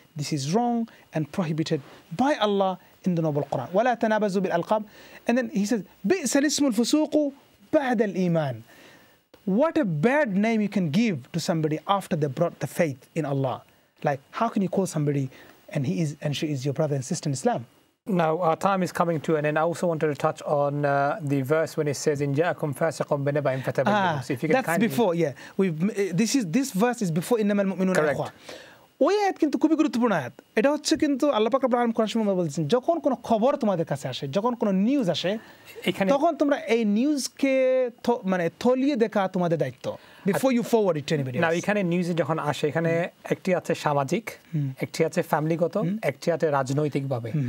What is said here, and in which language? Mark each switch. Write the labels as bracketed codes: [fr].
[en] this is wrong and prohibited by Allah in the noble Quran, [ar] ওয়ালা তানাবাজু বিল আলকাব, [en] and then he says [ar] বিসাল ইসমুল ফুসুকু বাদাল ঈমান, [en] What a bad name you can give to somebody after the brought the faith in Allah, like how can you call somebody and he is and she is your brother and sister in Islam. Now, our time is coming to an end. I also wanted to touch on the verse when it says, [ar] "In ja'akum fasiqun binaba'in fatabayyanu." [en] So if you can kindly... That's before, yeah. This verse is before [ar] Innama al-Mu'minuna Ikhwa. [en] Correct. [bn] ওই আয়াত কিন্তু খুবই গুরুত্বপূর্ণ আয়াত। এটা হচ্ছে কিন্তু আল্লাহ পাক রব্বুল আলামিন কোরআন বলেছেন, যখন কোনো খবর তোমাদের কাছে আসে, যখন কোনো নিউজ আসে, তখন তোমরা এই নিউজকে মানে থলিয়ে দেখা তোমাদের দায়িত্ব, [en] Before you forward it to anybody. [bn] নাও এখানে নিউজ যখন আসে, এখানে একটি আছে সামাজিক, একটি আছে ফ্যামিলিগত, একটি আছে রাজনৈতিকভাবে।